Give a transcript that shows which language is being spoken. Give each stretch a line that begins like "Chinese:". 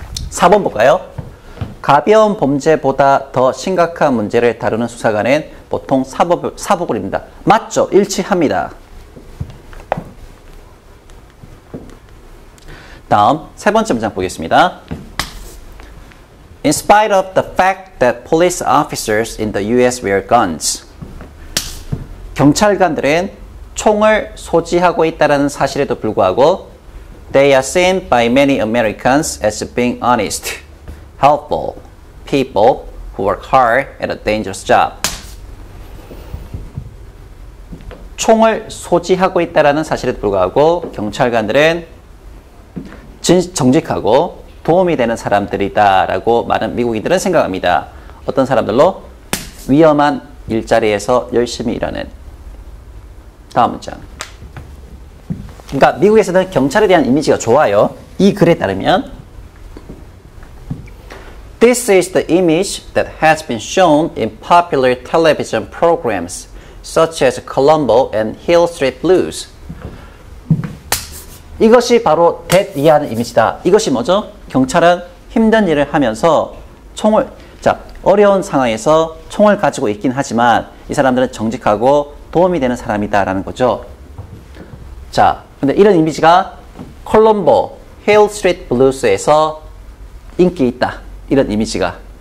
Korean: 4번 볼까요? 가벼운 범죄보다 더 심각한 문제를 다루는 수사관은 보통 사복을 입는다. 맞죠? 일치합니다. 다음 세 번째 문장 보겠습니다.
English: In spite of the fact that police officers in the US wear guns,
Korean: 경찰관들은 총을 소지하고 있다는 사실에도 불구하고
English: They are seen by many Americans as being honest, helpful people who work hard at a dangerous job.
Korean: 총을 소지하고 있다는 사실에도 불구하고 경찰관들은 정직하고 도움이 되는 사람들이다 라고 많은 미국인들은 생각합니다. 어떤 사람들로? 위험한 일자리에서 열심히 일하는. 다음 문장. 그러니까 미국에서는 경찰에 대한 이미지가 좋아요. 이 글에 따르면
English: This is the image that has been shown in popular television programs such as Columbo and Hill Street Blues.
Korean: 이것이 바로 대리하는 이미지다. 이것이 뭐죠? 경찰은 힘든 일을 하면서 총을 자 어려운 상황에서 총을 가지고 있긴 하지만 이 사람들은 정직하고 도움이 되는 사람이다 라는 거죠. 자, 근데 이런 이미지가 콜럼보, 힐 스트리트 블루스에서 인기 있다. 이런 이미지가.